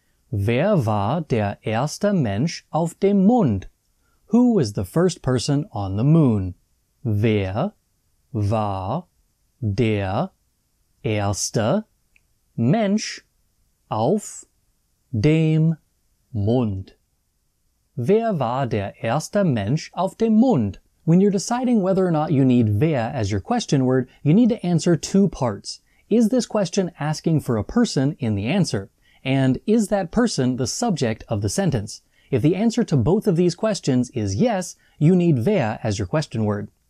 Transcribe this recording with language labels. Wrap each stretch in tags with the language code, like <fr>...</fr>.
<de>Wer war der erste Mensch auf dem Mond?</de> <en>Who was the first person on the moon?</en> <de>Wer war der erste Mensch auf dem Mond? Wer war der erste Mensch auf dem Mond?</de> <en>When you're deciding whether or not you need wer as your question word, you need to answer two parts. Is this question asking for a person in the answer? And is that person the subject of the sentence? If the answer to both of these questions is yes, you need wer as your question word.</en>